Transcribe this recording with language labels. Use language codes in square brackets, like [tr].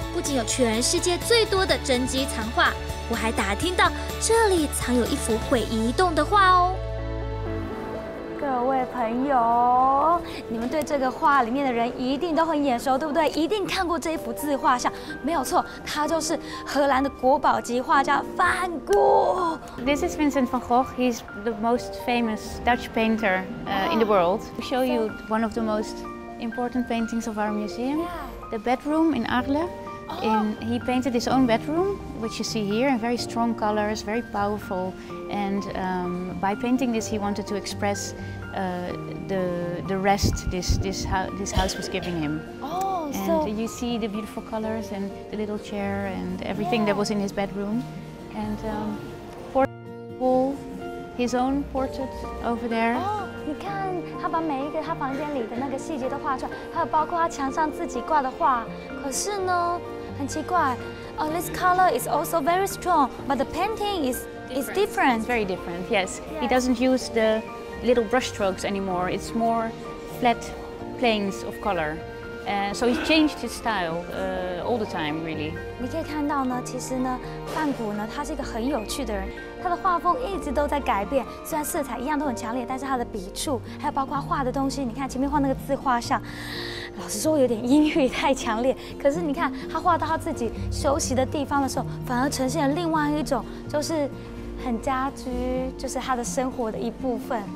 [zh] 不仅有全世界最多的真迹藏画，我还打听到这里藏有一幅会移动的画哦。各位朋友，你们对这个画里面的人一定都很眼熟，对不对？一定看过这一幅自画像，没有错，他就是荷兰的国宝级画家梵谷。 [en] This is Vincent van Gogh. He's the most famous Dutch painter in the world. To show you one of the most important paintings of our museum, the bedroom in Arles. He painted his own bedroom, which you see here, in very strong colors, very powerful. And by painting this, he wanted to express the rest this house was giving him. You see the beautiful colors and the little chair and everything that was in his bedroom. And for wall, his own portrait over there. Oh. [zh] 你看，他把每一个他房间里的那个细节都画出来，还有包括他墙上自己挂的画。可是呢，很奇怪 [en] ，this color is also very strong, but the painting is different. It's very different. Yes, he doesn't use the little brush strokes anymore. It's more flat planes of color. So he changed his style all the time, really. [zh] 你可以看到呢，其实呢，梵谷呢，他是一个很有趣的人。他的画风一直都在改变，虽然色彩一样都很强烈，但是他的笔触还有包括画的东西，你看前面画那个自画像，老实说有点阴郁太强烈，可是你看他画到他自己休息的地方的时候，反而呈现了另外一种，就是很家居，就是他的生活的一部分。